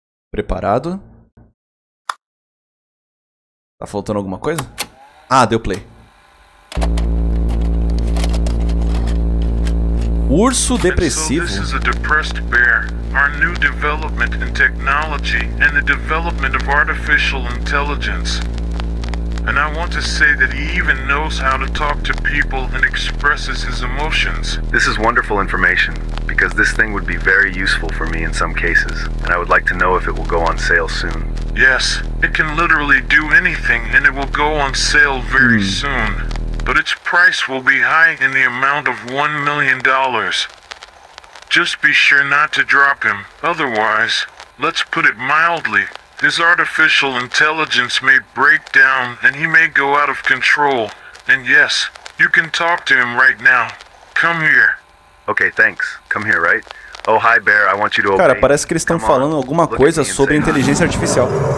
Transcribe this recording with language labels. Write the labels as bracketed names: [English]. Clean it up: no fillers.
[Portuguese] Preparado? Tá faltando alguma coisa? Ah, deu play. Urso depressivo. Então, isso é um depressivo bear. [English] Our new development in technology and the development of artificial intelligence. And I want to say that he even knows how to talk to people and expresses his emotions. This is wonderful information, because this thing would be very useful for me in some cases, and I would like to know if it will go on sale soon. Yes, it can literally do anything and it will go on sale very soon. But its price will be high in the amount of $1 million. Just be sure not to drop him. Otherwise, let's put it mildly, his artificial intelligence may break down and he may go out of control. And yes, you can talk to him right now. Come here. Okay, thanks. Come here, right? Oh, hi, Bear. I want you to obey. [Portuguese] Cara, parece que eles estão falando alguma coisa sobre inteligência artificial.